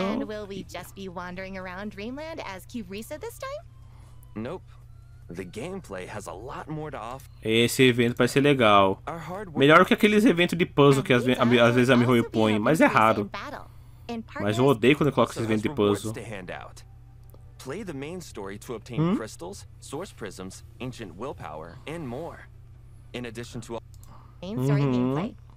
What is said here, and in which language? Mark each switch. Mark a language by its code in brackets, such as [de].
[en] And will we just be wandering around Dreamland as Kirisa this time? Nope. The gameplay has a lot more to offer. [pt] Esse evento vai ser legal. Melhor que aqueles eventos de puzzle que às vezes a Mihoyo põe, mas é raro. Mas eu odeio quando eu coloco esses eventos de puzzle. [en] Play the main story to obtain crystals, source prisms, ancient willpower, and more. In addition to a main story gameplay.